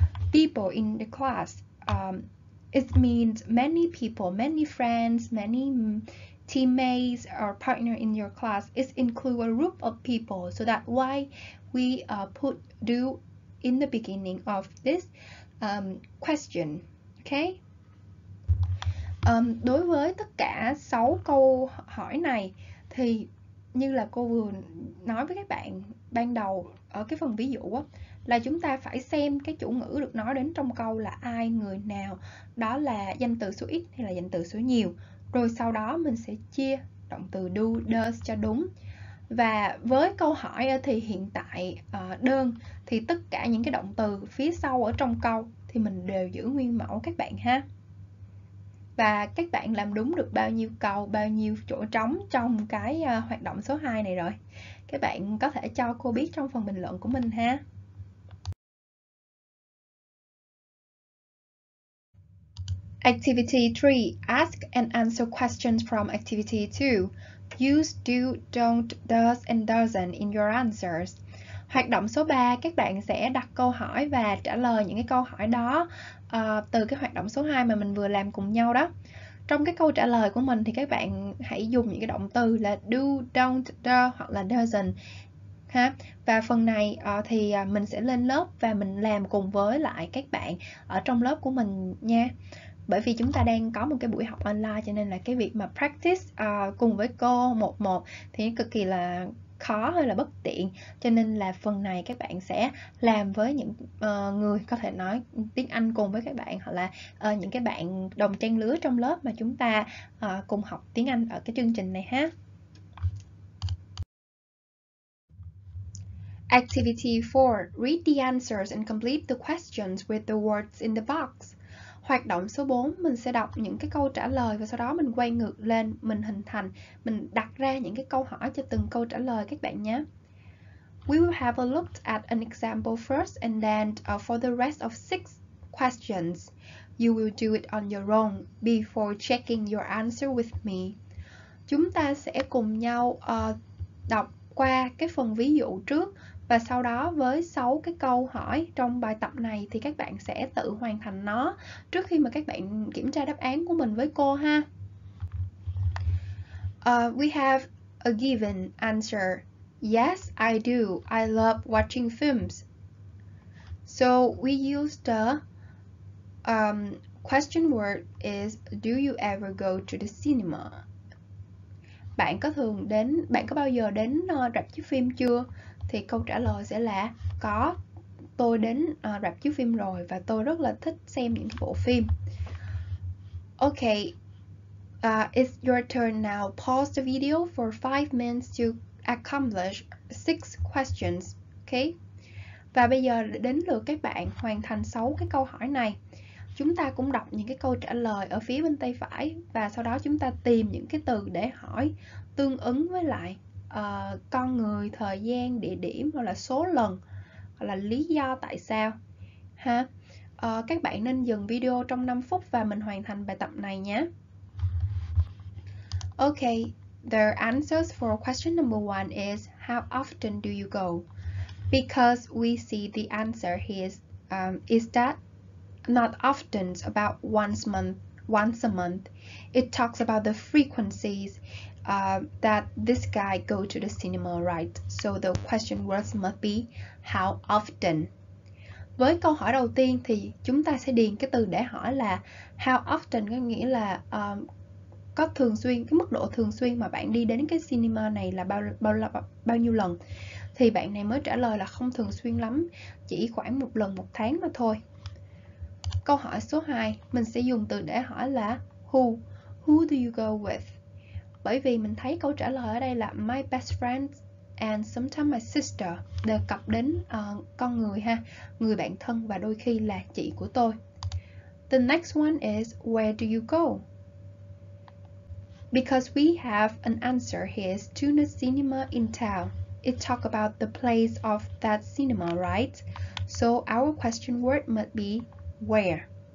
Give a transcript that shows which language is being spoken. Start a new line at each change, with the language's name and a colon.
English: People in the class, it means many people, many friends, many teammates or partner in your class. It includes a group of people, so that why we put do in the beginning of this question, Okay.
Vietnamese: Đối với tất cả 6 câu hỏi này thì như là cô vừa nói với các bạn ban đầu ở cái phần ví dụ á, là chúng ta phải xem cái chủ ngữ được nói đến trong câu là ai, người nào, đó là danh từ số ít hay là danh từ số nhiều. Rồi sau đó mình sẽ chia động từ do, does cho đúng. Và với câu hỏi thì hiện tại đơn thì tất cả những cái động từ phía sau ở trong câu thì mình đều giữ nguyên mẫu các bạn ha. Và các bạn làm đúng được bao nhiêu câu, bao nhiêu chỗ trống trong cái hoạt động số 2 này rồi? Các bạn có thể cho cô biết trong phần bình luận của mình ha.
English: Activity 3. Ask and answer questions from Activity 2. Use do, don't, does and doesn't in your answers.
Vietnamese: Hoạt động số 3, các bạn sẽ đặt câu hỏi và trả lời những cái câu hỏi đó từ cái hoạt động số 2 mà mình vừa làm cùng nhau đó. Trong cái câu trả lời của mình thì các bạn hãy dùng những cái động từ là do, don't, do hoặc là doesn't ha. Và phần này thì mình sẽ lên lớp và mình làm cùng với lại các bạn ở trong lớp của mình nha. Bởi vì chúng ta đang có một cái buổi học online cho nên là cái việc mà practice cùng với cô một một thì cực kỳ là khó hay là bất tiện. Cho nên là phần này các bạn sẽ làm với những người có thể nói tiếng Anh cùng với các bạn, hoặc là những cái bạn đồng trang lứa trong lớp mà chúng ta cùng học tiếng Anh ở cái chương trình này ha.
English: Activity 4. Read the answers and complete the questions with the words in the box.
Vietnamese: Hoạt động số 4, mình sẽ đọc những cái câu trả lời và sau đó mình quay ngược lên, mình hình thành, mình đặt ra những cái câu hỏi cho từng câu trả lời các bạn nhé.
English: We will have a look at an example first and then for the rest of 6 questions, you will do it on your own before checking your answer with me.
Vietnamese: Chúng ta sẽ cùng nhau đọc qua cái phần ví dụ trước. Và sau đó với 6 cái câu hỏi trong bài tập này thì các bạn sẽ tự hoàn thành nó trước khi mà các bạn kiểm tra đáp án của mình với cô ha.
English: We have a given answer. Yes, I do. I love watching films. So we use the question word is do you ever go to the cinema?
Vietnamese: Bạn có bao giờ đến rạp chiếu phim chưa? Thì câu trả lời sẽ là có, tôi đến rạp chiếu phim rồi và tôi rất là thích xem những bộ phim.
English: Okay, it's your turn now. Pause the video for 5 minutes to accomplish 6 questions. Okay.
Vietnamese: Và bây giờ đến lượt các bạn hoàn thành 6 cái câu hỏi này. Chúng ta cũng đọc những cái câu trả lời ở phía bên tay phải và sau đó chúng ta tìm những cái từ để hỏi tương ứng với lại con người, thời gian, địa điểm hoặc là số lần hoặc là lý do tại sao ha. Các bạn nên dừng video trong 5 phút và mình hoàn thành bài tập này nhé.
English: Okay, the answers for question number 1 is how often do you go? Because we see the answer here is that not often, about once a month. It talks about the frequencies that this guy go to the cinema, right? So the question words must be how often.
Vietnamese: Với câu hỏi đầu tiên thì chúng ta sẽ điền cái từ để hỏi là how often, có nghĩa là có thường xuyên, cái mức độ thường xuyên mà bạn đi đến cái cinema này là bao nhiêu lần. Thì bạn này mới trả lời là không thường xuyên lắm, chỉ khoảng một lần một tháng mà thôi. Câu hỏi số 2, mình sẽ dùng từ để hỏi là
English: who do you go with?
Vietnamese: Bởi vì mình thấy câu trả lời ở đây là
English: my best friend and sometimes my sister,
Vietnamese: đề cập đến con người ha, người bạn thân và đôi khi là chị của tôi.
English: The next one is where do you go? Because we have an answer here is to the cinema in town. It talk about the place of that cinema, right? So our question word might be where.